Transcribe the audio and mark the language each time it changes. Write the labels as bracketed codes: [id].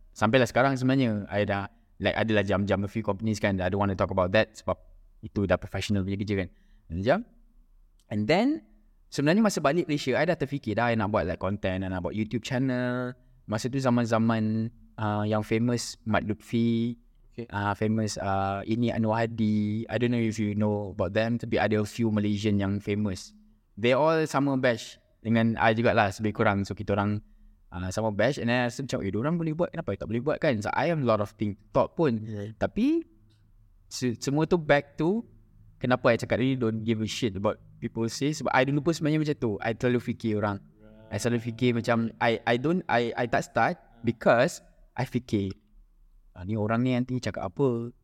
[ms] Sampailah sekarang sebenarnya, I dah, like, adalah jam-jam a few companies kan. [en] I don't want to talk about that [ms] sebab itu dah professional punya kerja kan. Jam. And then, sebenarnya masa balik Malaysia, I dah terfikir dah, I nak buat like content, I nak buat YouTube channel. Masa tu zaman-zaman yang famous, Mat Lutfi, famous Ini Anwar Hadi. [en] I don't know if you know about them. [ms] Tapi ada a few Malaysian yang famous. They all sama batch dengan I jugalah, lebih kurang. So kita orang sama batch. And then I rasa macam, diorang boleh buat, kenapa tak boleh buat kan. [en] So I have a lot of things talk pun. [ms] Tapi semua tu back to kenapa I cakap ni, [en] don't give a shit about people say. [ms] Sebab I dulu pun sebenarnya macam tu. I terlalu fikir orang, I selalu fikir macam I tak start because I fikir ni orang ni nanti cakap apa.